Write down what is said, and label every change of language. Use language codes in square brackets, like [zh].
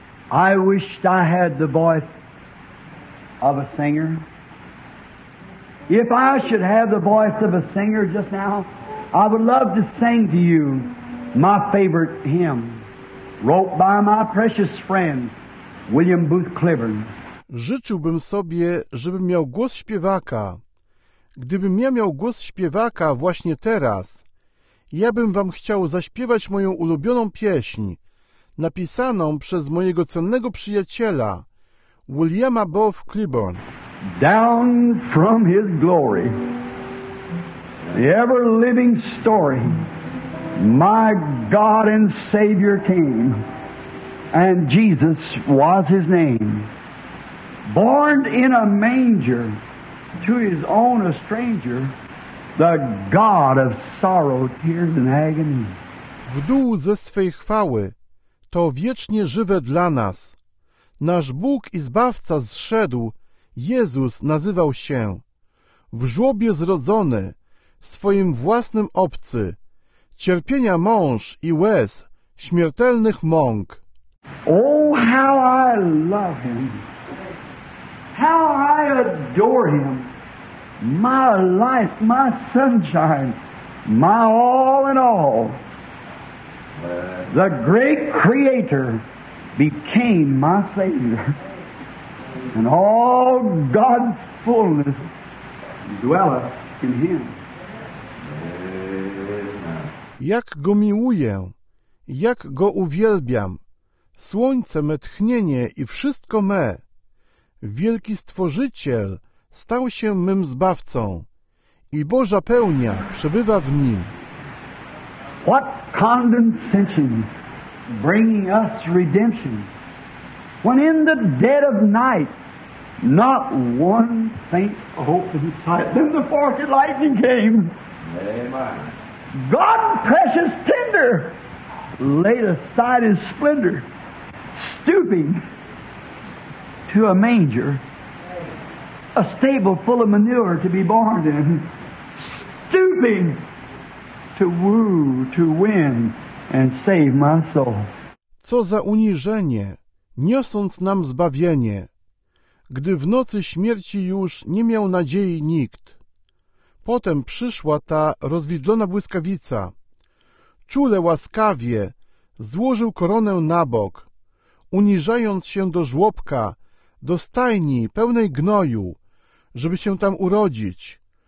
[en] I wished I had the voice of a singer. If I should have the voice of a singer just now, I would love to sing to you my favorite hymn, wrote by my precious friend, William Booth Cliburn. [pl] Życzyłbym sobie, żebym miał głos śpiewaka. Gdybym ja miał głos śpiewaka właśnie teraz, ja bym wam chciał zaśpiewać moją ulubioną pieśń, napisaną przez mojego cennego przyjaciela, Williama Booth Cliburn. [en] Down from his glory, the ever-living story, my God and Savior came, and Jesus was his name. Born in a manger to his own a stranger, the God of sorrow, tears and agony. [pl] W dół ze swej chwały, to wiecznie żywe dla nas. Nasz Bóg i Zbawca zszedł, Jezus nazywał się. W żłobie zrodzony, swoim własnym obcy, cierpienia mąż i łez, śmiertelnych mąk. [en] Oh, how I love him! How I adore him! My life, my sunshine, my all in all. The great Creator became my Savior, and all God's fullness dwelleth in Him. [pl] Jak go miłuję, jak go uwielbiam, słońce me, tchnienie i wszystko me, wielki Stworzyciel stał się mym Zbawcą i Boża pełnia przebywa w Nim. [en] What condescension bringing us redemption, when in the dead of night not one faint hope in sight, then the forked lightning came. Amen. God precious tender laid aside his splendor, stooping to a manger, a stable full of manure to be born in, stooping to woo, to win, and save my soul. [pl] Co za uniżenie, niosąc nam zbawienie, gdy w nocy śmierci już nie miał nadziei nikt. Potem przyszła ta rozwidlona błyskawica. Czule, łaskawie, złożył koronę na bok, uniżając się do żłobka, do stajni pełnej gnoju, żeby się tam urodzić.